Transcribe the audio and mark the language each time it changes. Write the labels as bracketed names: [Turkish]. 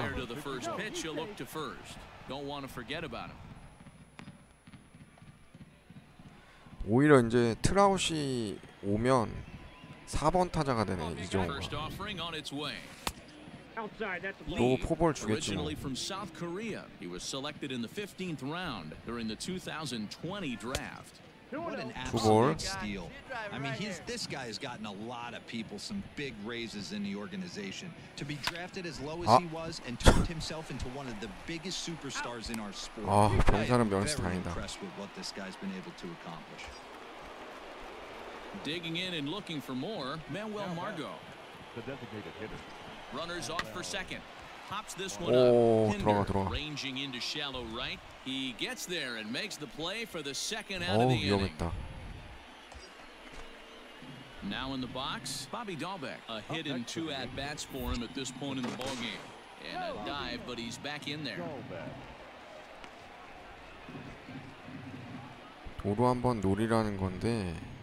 [English] Prior to the first pitch, you look to first. Don't want to forget about him. [Korean] 오히려 이제 트라우시 오면 4번 타자가 되네 이정후. [English] First offering on its way. Outside, that's a ball. Originally from South Korea, he was selected in the 15th round during the 2020 draft. [Korean] 2볼. [English] I mean, he's this guy has gotten a lot of people some big raises in the organization. To be drafted as low as he was and turned himself into one of the biggest superstars in our sport. [Korean] 아, 병사는 명수 다행이다. [English] Impressed with what this guy's been able to accomplish. Digging in and looking for more, Manuel Margot. The designated hitter. Runners off for second. Pops this one up. [Korean] 오, 들어가, 들어가. [English] Ranging into shallow right. He gets there and makes the play for the second out of the inning. [Korean] 오, 위험했다. [English] Now in the box, Bobby Dalbec. A hit and two at bats for him at this point in the ball game. And a dive, but he's back in there. [Korean] 도로 한번 노리라는 건데.